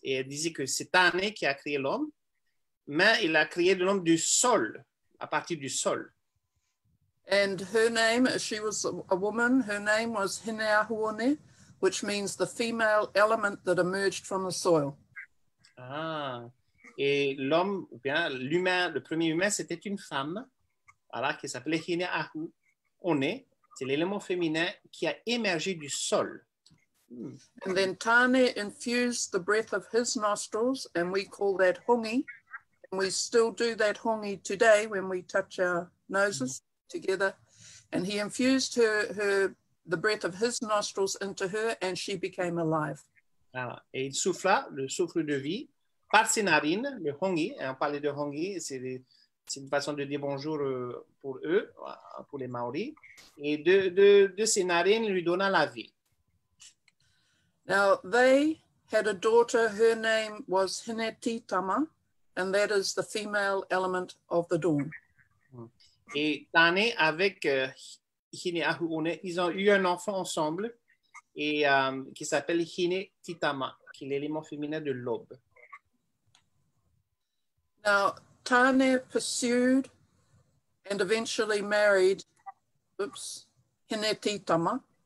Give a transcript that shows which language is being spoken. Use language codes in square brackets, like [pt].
[fr] Et elle disait que c'est Tane qui a créé l'homme, mais il a créé l'homme du sol, à partir du sol. [en] And her name, she was a woman, her name was Hineahuone, which means the female element that emerged from the soil. [fr] Ah, et l'homme, bien, l'humain, le premier humain, c'était une femme, voilà, qui s'appelait Hineahuone, c'est l'élément féminin qui a émergé du sol. [en] And then Tane infused the breath of his nostrils, and we call that hongi, and we still do that hongi today when we touch our noses. Mm. Together, and he infused her the breath of his nostrils into her, and she became alive. [fr] Voilà. Et il souffla le souffle de vie par ses narines, le hongi. Et on parlait de hongi, c'est une façon de dire bonjour pour eux, pour les Maoris. Et de ses narines, lui donna la vie. [en] Now they had a daughter. Her name was Hineti Tama, and that is the female element of the dawn. [fr] Et Tane avec Hineahuone, ils ont eu un enfant ensemble et qui s'appelle Hinetitama, qui est l'élément féminin de l'aube. [en] Now Tane pursued and eventually married Hinetitama.